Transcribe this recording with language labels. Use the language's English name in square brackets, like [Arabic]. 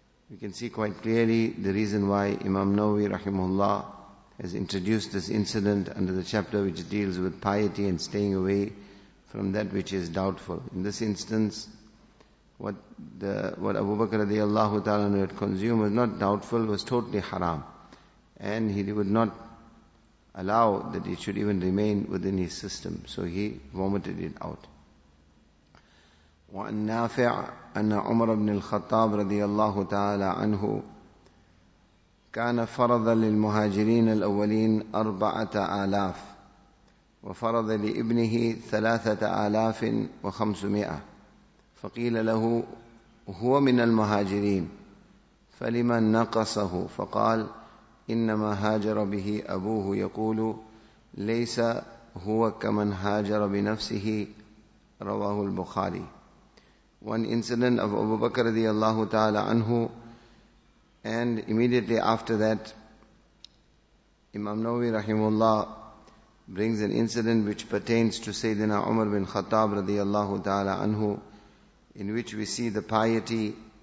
[English] We can see quite clearly the reason why Imam Nawawi rahimahullah has introduced this incident under the chapter which deals with piety and staying away from that which is doubtful. In this instance, what Abu Bakr radiallahu ta'ala had consumed was not doubtful, was totally haram. and he would not allow that it should even remain within his system, so he vomited it out. [Arabic] وَأَنْ نَافِعَ أَنَّ عُمَرَ بْنِ الْخَطَّابِ رَضِيَ اللَّهُ تَعَالَى عَنْهُ كَانَ فَرَضَ لِلْمُهَاجِرِينَ الْأَوَّلِينَ 4,000 وَفَرَضَ لِإِبْنِهِ 3,500 فَقِيلَ لَهُ هُوَ مِنَ الْمُهَاجِرِينَ فَلِمَا نَقَصَهُ فَقَالَ إنما هاجر به أبوه يقول ليس هو كمن هاجر بنفسه رواه البخاري. [English] One incident of Abu Bakr radiallahu ta'ala anhu, and immediately after that Imam Nawawi rahimullah brings an incident which pertains to Sayyidina Umar bin Khattab radiallahu ta'ala anhu, in which we see the piety